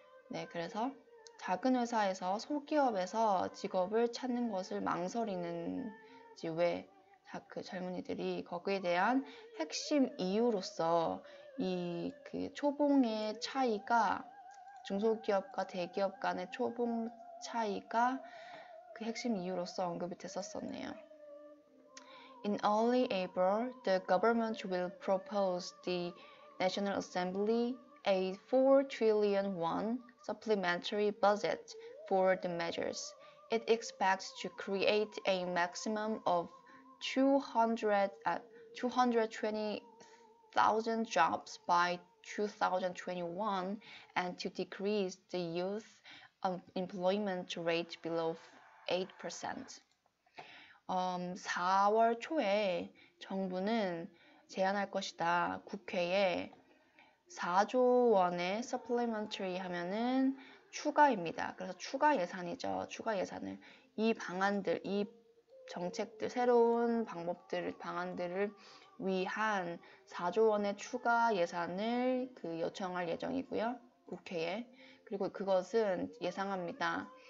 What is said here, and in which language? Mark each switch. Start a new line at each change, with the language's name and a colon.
Korean: 네, 그래서 작은 회사에서 소기업에서 직업을 찾는 것을 망설이는지, 왜? 그 젊은이들이 거기에 대한 핵심 이유로서 이그 초봉의 차이가, 중소기업과 대기업 간의 초봉 차이가 그 핵심 이유로서 언급이 됐었었네요.
English: In early April, the government will propose the National Assembly a 4 trillion won supplementary budget for the measures. It expects to create a maximum of 220,000 jobs by 2021 and to decrease the youth unemployment rate below 8%.
Korean: 4월 초에 정부는 제안할 것이다. 국회에 4조 원의 supplementary 하면은 추가입니다. 그래서 추가 예산이죠. 추가 예산을. 이 정책들, 새로운 방법들, 방안들을 위한 4조 원의 추가 예산을 요청할 예정이고요. 국회에. 그리고 그것은 예상합니다.